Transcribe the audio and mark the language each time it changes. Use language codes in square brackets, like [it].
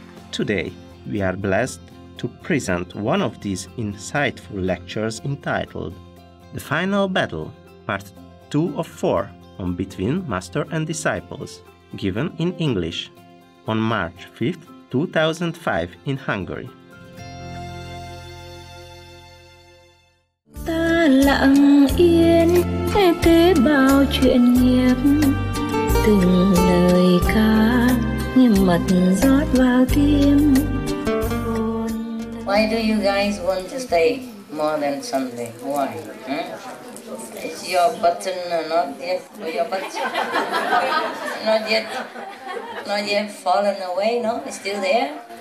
[en] Today, we are blessed to present one of these insightful lectures entitled The Final Battle, Part 2 of 4 on Between Master and Disciples, given in English on March 5, 2005 in Hungary. [vi] Ta lặng yên nghe thế bao chuyện nghiệp từng lời ca nghiêm mật rót vào tim. [en] Why do you guys want to stay more than Sunday? Why? Is your button not yet? Your button not yet fallen away? No, it's still there.